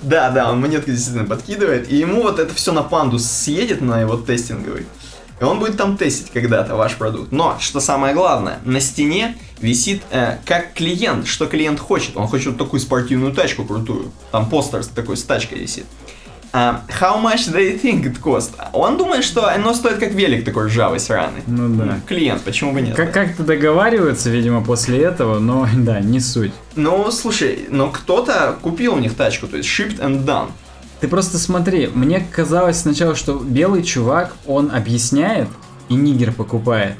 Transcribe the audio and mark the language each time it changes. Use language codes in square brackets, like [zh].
[ru] Да, да, он монетку действительно подкидывает, и ему вот это все на пандус съедет, на его тестинговый, и он будет там тестить когда-то ваш продукт. Но, что самое главное, на стене висит, как клиент, что клиент хочет. Он хочет вот такую спортивную тачку крутую, там постер такой с тачкой висит. [en] How much do you think it cost? [ru] Он думает, что оно стоит как велик такой ржавый, сраный. Ну да. Клиент, почему бы нет? Как-то договариваются, видимо, после этого, но да, не суть. Ну, слушай, но кто-то купил у них тачку, то есть [en] shipped and done. [ru] Ты просто смотри, мне казалось сначала, что белый чувак, он объясняет и нигер покупает.